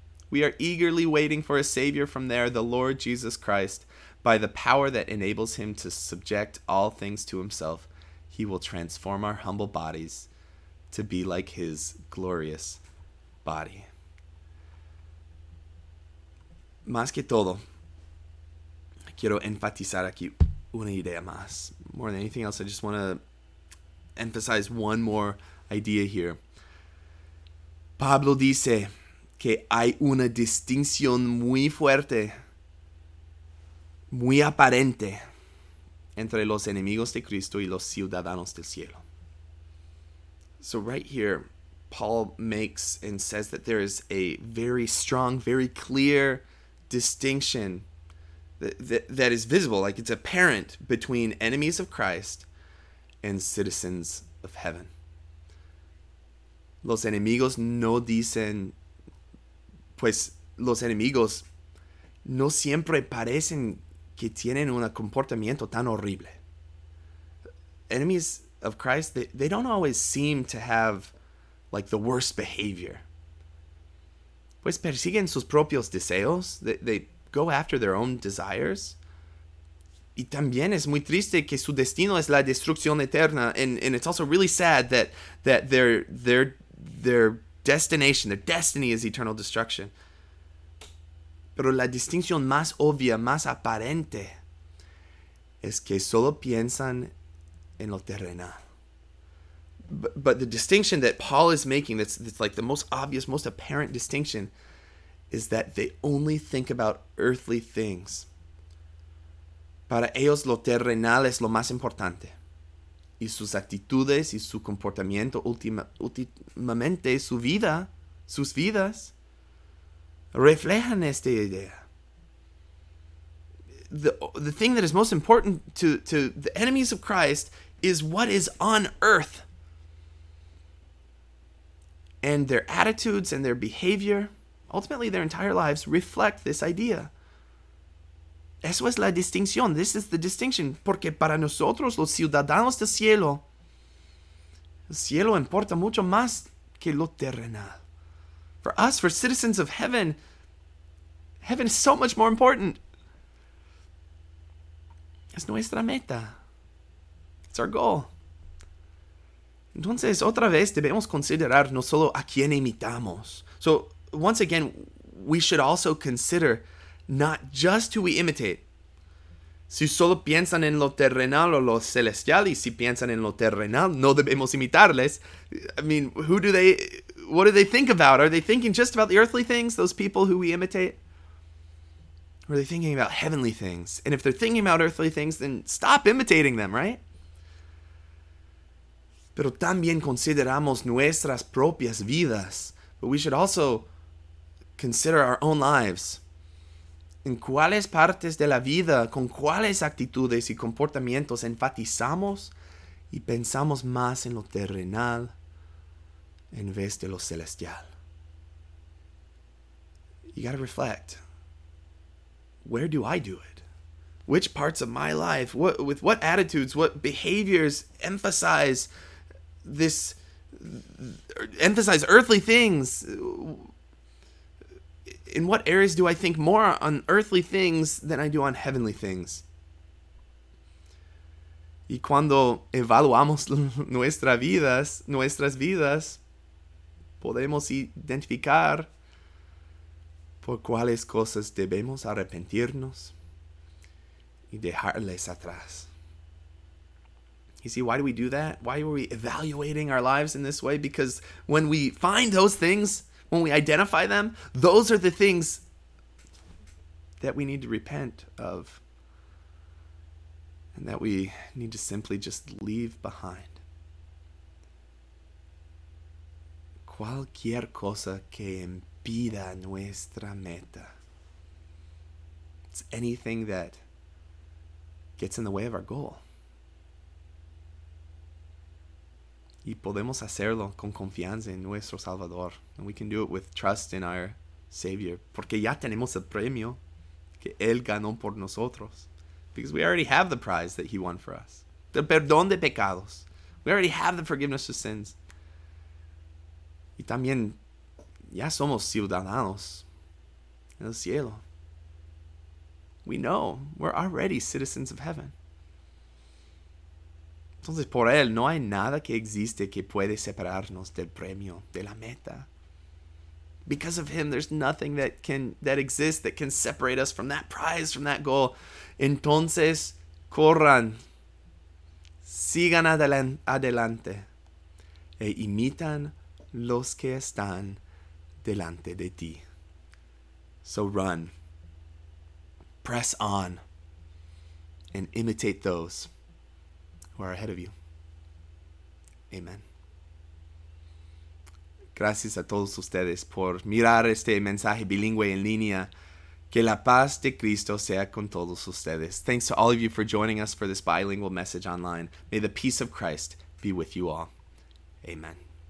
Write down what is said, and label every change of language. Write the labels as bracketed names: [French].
[English] We are eagerly waiting for a Savior from there, the Lord Jesus Christ. By the power that enables him to subject all things to himself, he will transform our humble bodies to be like his glorious body. [Spanish] Más que todo, quiero enfatizar aquí una idea más. [English] More than anything else, I just want to emphasize one more idea here. [Spanish] Pablo dice que hay una distinción muy fuerte, muy aparente, entre los enemigos de Cristo y los ciudadanos del cielo. [English] So right here, Paul makes and says that there is a very strong, very clear distinction that is visible, like it's apparent, between enemies of Christ and citizens of heaven. [Spanish] Los enemigos no dicen, pues los enemigos no siempre parecen que tienen un comportamiento tan horrible. [English] Enemies of Christ, they don't always seem to have like the worst behavior. [Spanish] Pues persiguen sus propios deseos. [English] They go after their own desires. [Spanish] Y también es muy triste que su destino es la destrucción eterna. [English] And it's also really sad that their destination, their destiny is eternal destruction. [Spanish] Pero la distinción más obvia, más aparente, es que solo piensan en lo terrenal. [English] But the distinction that Paul is making, that's like the most obvious, most apparent distinction, is that they only think about earthly things. [Spanish] Para ellos lo terrenal es lo más importante. y sus actitudes y su comportamiento últimamente, su vida, sus vidas, reflejan esta idea. [English] The thing that is most important to the enemies of Christ is what is on earth. And their attitudes and their behavior, ultimately their entire lives, reflect this idea. [Spanish] Eso es la distinción. [English] This is the distinction. [Spanish] Porque para nosotros, los ciudadanos del cielo, el cielo importa mucho más que lo terrenal. [English] For us, for citizens of heaven, heaven is so much more important. [Spanish] Es nuestra meta. [English] It's our goal. [Spanish] Entonces, otra vez, debemos considerar no solo a quién imitamos. [English] So, once again, we should also consider not just who we imitate. [Spanish] Si solo piensan en lo terrenal o lo celestial, y si piensan en lo terrenal, no debemos imitarles. [English] I mean, what do they think about? Are they thinking just about the earthly things, those people who we imitate? Or are they thinking about heavenly things? And if they're thinking about earthly things, then stop imitating them, right? [Spanish] Pero también consideramos nuestras propias vidas. [English] But we should also consider our own lives. [Spanish] ¿En cuáles partes de la vida, con cuáles actitudes y comportamientos enfatizamos y pensamos más en lo terrenal en vez de lo celestial? [English] You gotta reflect. Where do I do it? Which parts of my life, with what attitudes, what behaviors emphasize this, emphasize earthly things? In what areas do I think more on earthly things than I do on heavenly things? [Spanish] Y cuando evaluamos nuestras vidas, podemos identificar por cuáles cosas debemos arrepentirnos y dejarles atrás. [English] You see, why do we do that? Why are we evaluating our lives in this way? Because when we find those things, when we identify them, those are the things that we need to repent of and that we need to simply just leave behind. [Spanish] Cualquier cosa que impida nuestra meta. [English] It's anything that gets in the way of our goal. [Spanish] Y podemos hacerlo con confianza en nuestro Salvador. [English] And we can do it with trust in our Savior. [Spanish] Porque ya tenemos el premio que Él ganó por nosotros. [English] Because we already have the prize that He won for us. [Spanish] El perdón de pecados. [English] We already have the forgiveness of sins. [Spanish] Y también ya somos ciudadanos del cielo. [English] We know we're already citizens of heaven. [Spanish] Entonces, por él, no hay nada que existe que puede separarnos del premio, de la meta. [English] Because of him, there's nothing that exists that can separate us from that prize, from that goal. [Spanish] Entonces, corran, sigan adelante, e imitan los que están delante de ti. [English] So run, press on, and imitate those who are ahead of you. Amen. [Spanish] Gracias a todos ustedes por mirar este mensaje bilingüe en línea. Que la paz de Cristo sea con todos ustedes. [English] Thanks to all of you for joining us for this bilingual message online. May the peace of Christ be with you all. Amen.